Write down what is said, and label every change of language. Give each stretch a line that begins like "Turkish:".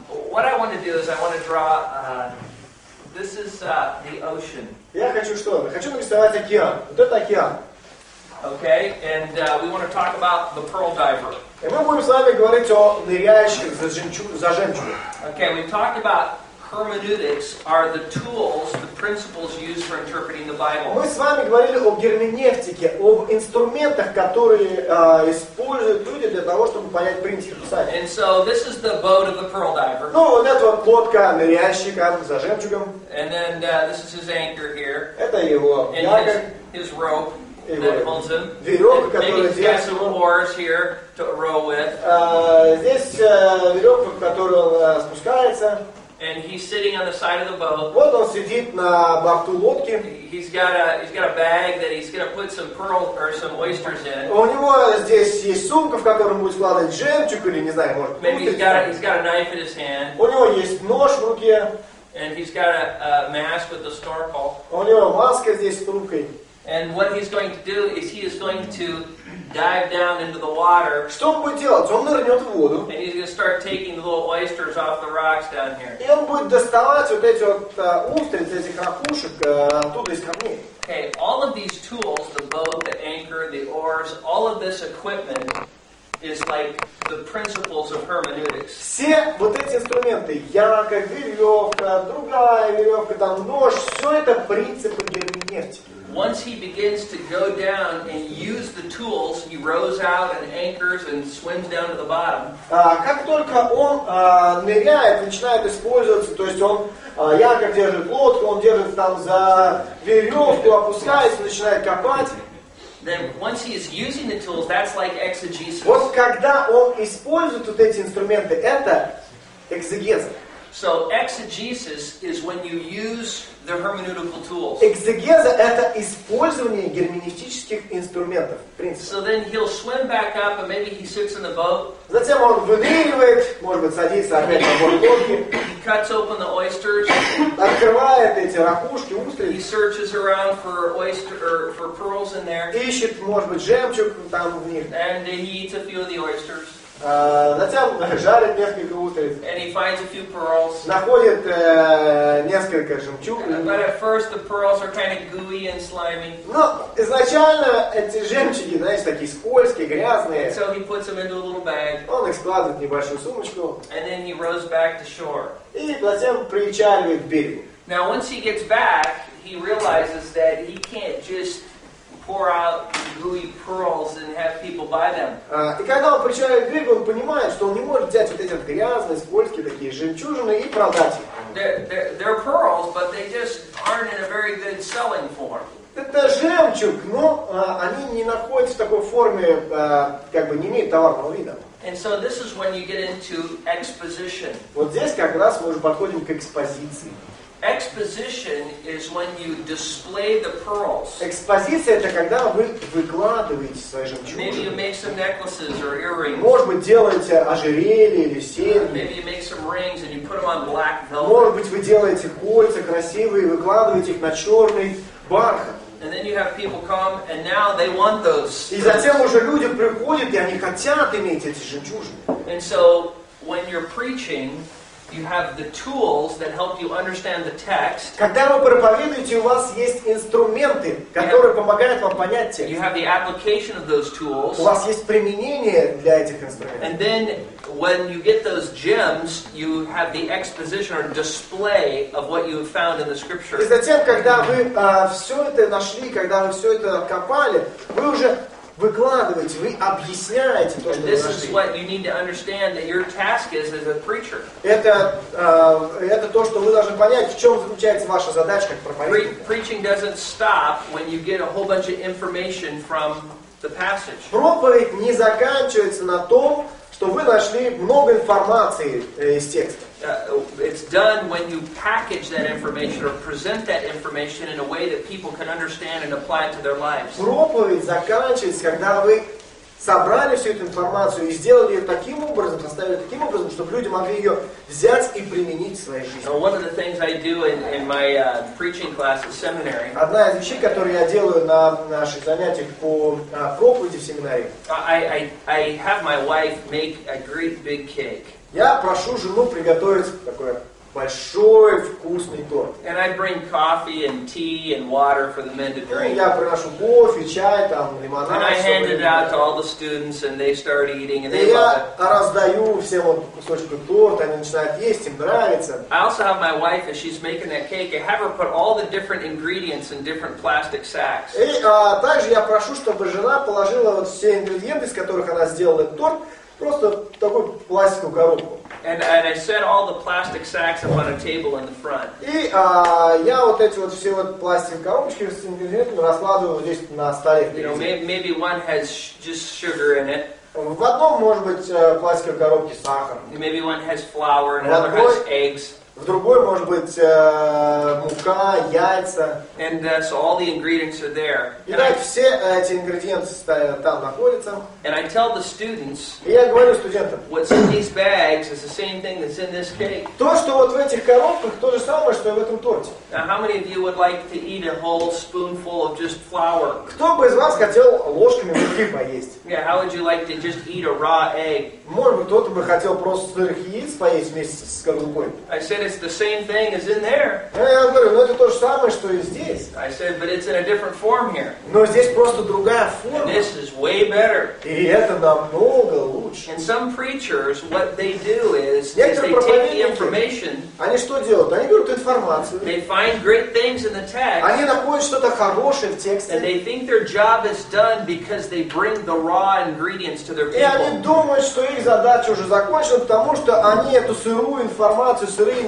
English: What I want to do is I want to draw... This is the ocean.
Russian: Я хочу что? Хочу нарисовать океан. Вот это океан.
English: Okay, and we want to talk about the pearl diver.
Russian: И мы будем с вами говорить о ныряющих за жемчугом.
English: Okay, we've talked about hermeneutics are the tools, the principles used for interpreting the Bible.
Russian: Мы с вами говорили о герменевтике, об инструментах, которые используют люди для того, чтобы понять принципы Писания.
English: And so this is the boat of the pearl diver.
Russian: Ну, вот это вот лодка ныряльщика за жемчугом.
English: And then this is his anchor here.
Russian: Это его якорь.
English: And his rope. That holds him.
Russian: Веревка, которая
English: maybe he's got some oars here to row with.
Russian: Здесь веревка, в которую он спускается.
English: And he's sitting on the side of the boat.
Russian: Вот он сидит на борту лодки.
English: He's got a bag that he's going to put some pearl or some oysters in.
Russian: У него здесь есть сумка, в которую он будет складывать жемчуг или не знаю, может.
English: Maybe he's got a knife in his hand.
Russian: У него есть нож в руке.
English: And he's got a mask with the snorkel.
Russian: У него маска здесь с трубкой.
English: And what he's going to do is he is going to dive down into the water.
Russian: Что он будет делать? Он нырнет в воду.
English: And he's going to start taking the little oysters off the rocks down here.
Russian: И он будет доставать вот эти вот устриц, этих ракушек оттуда из камней.
English: Okay, all of these tools, the boat, the anchor, the oars, all of this equipment is like the principles of hermeneutics.
Russian: Все вот эти инструменты, ярко, веревка, другая веревка, там нож, все это принципы герменевтики.
English: Once he begins to go down and use the tools, he rows out and anchors and swims down to the bottom.
Russian: Как только он ныряет, начинает использоваться, то есть он якорь держит лодку, он держит там за веревку, опускается, начинает копать.
English: Then once he is using the tools, that's like exegesis.
Russian: Вот когда он использует вот эти инструменты, это экзегеза.
English: So exegesis is when you use the hermeneutical tools.
Russian: Экзегеза — это использование герменевтических инструментов, в принципе.
English: So then he'll swim back up and maybe he sits in the boat.
Russian: Затем он выныривает, может быть, садится опять на борт лодки.
English: He cuts open the oysters.
Russian: Открывает эти ракушки, устриц.
English: He searches around for oyster or for pearls in there.
Russian: Ищет, может быть, жемчуг там в них.
English: And he eats a few of the oysters.
Russian: Затем жарит несколько устриц.
English: And he finds a few pearls.
Russian: Находит несколько жемчужин.
English: But at first the pearls are kind of gooey and slimy.
Russian: Но изначально эти жемчуги, знаете, такие скользкие, грязные.
English: And so he puts them into a little bag.
Russian: Он их складывает в небольшую сумочку.
English: And then he rows back to shore.
Russian: И затем причаливает к берегу.
English: Now once he gets back, he realizes that he can't just pour out gooey pearls and have people buy them.
Russian: И когда он причаливает к берегу, он понимает, что он не может взять вот эти вот грязные, скользкие такие жемчужины и продать их.
English: They're pearls, but they just aren't in a very good selling form.
Russian: Это жемчуг, но они не находятся в такой форме, как бы не имеют товарного вида.
English: And so this is when you get into exposition.
Russian: Вот здесь как раз мы уже подходим к экспозиции.
English: Exposition is when you display the pearls.
Russian: Экспозиция — это когда вы выкладываете свои жемчужины.
English: Maybe you make some necklaces or earrings.
Russian: Может быть, делаете ожерелье или серьги.
English: Maybe you make some rings and you put them on black velvet.
Russian: Может быть, вы делаете кольца красивые и выкладываете их на черный бархат.
English: And then you have people come and now they want those.
Russian: И затем уже люди приходят и они хотят иметь эти жемчужины.
English: And so when you're preaching, you have the tools that help you understand the text.
Russian: Когда вы проповедуете, у вас есть инструменты, которые помогают вам понять текст.
English: You have the application of those tools.
Russian: У вас есть применение для этих инструментов.
English: And then when you get those gems, you have the exposition or display of what you have found in the scripture.
Russian: И затем, когда вы все это нашли, когда вы все это откопали, вы уже выкладываете, вы объясняете то, что вы нашли.
English: This is what you need to understand that your task is as a preacher.
Russian: Это то, что вы должны понять, в чем заключается ваша задача как проповедника.
English: Preaching doesn't stop when you get a whole bunch of information from the passage.
Russian: Проповедь не заканчивается на том, что вы нашли много информации из текста.
English: It's done when you package that information or present that information in a way that people can understand and apply it to their lives.
Russian: Проповедь заканчивается, когда вы собрали всю эту информацию и сделали ее таким образом, поставили таким образом, чтобы люди могли ее взять и применить в своей жизни.
English: One of the things I do in my preaching class at seminary.
Russian: Одна из вещей, которую я делаю на наших занятиях по проповеди в семинарии.
English: I have my wife make a great big cake.
Russian: Я прошу жену приготовить такой большой вкусный торт.
English: And I bring coffee and tea and water for the men to drink.
Russian: Я приношу кофе, чай, там, лимонад.
English: And I hand it out to all the students and they start eating and they love it.
Russian: Я раздаю всем вот кусочки торта, они начинают есть, им нравится.
English: I also have my wife, as she's making that cake, I have her put all the different ingredients in different plastic sacks.
Russian: И также я прошу, чтобы жена положила вот все ингредиенты, из которых она сделала этот торт, просто такую пластиковую коробку.
English: And I set all the plastic sacks up on a table in the front.
Russian: И я вот эти вот все вот пластиковые коробочки с ингредиентами раскладываю здесь на столе.
English: You know, maybe one has just sugar in it.
Russian: В одном, может быть, пластиковой коробке сахар.
English: Maybe one has flour, another has eggs.
Russian: В другой может быть мука, яйца.
English: And so all the ingredients are there.
Russian: Итак, все эти ингредиенты там находятся.
English: And I tell the students.
Russian: И я говорю студентам.
English: What's in these bags is the same thing that's in this cake.
Russian: То, что вот в этих коробках, то же самое, что и в этом торте.
English: Now, how many of you would like to eat a whole spoonful of just flour?
Russian: Кто бы из вас хотел ложками муки поесть?
English: Yeah, how would you like to just eat a raw egg?
Russian: Может быть, кто-то бы хотел просто сырых яиц поесть вместе с коробкой.
English: Said it's the same thing as in there.
Russian: Я говорю, ну это то же самое, что и здесь.
English: I said, but it's in a different form here.
Russian: Но здесь просто другая форма.
English: And this is way better.
Russian: И это намного лучше.
English: And some preachers, what they do is they take the information.
Russian: Они что делают? Они берут информацию.
English: They find great things in the text.
Russian: Они находят что-то хорошее в тексте.
English: And they think their job is done because they bring the raw ingredients to their people.
Russian: И они думают, что их задача уже закончена, потому что они эту сырую информацию сырую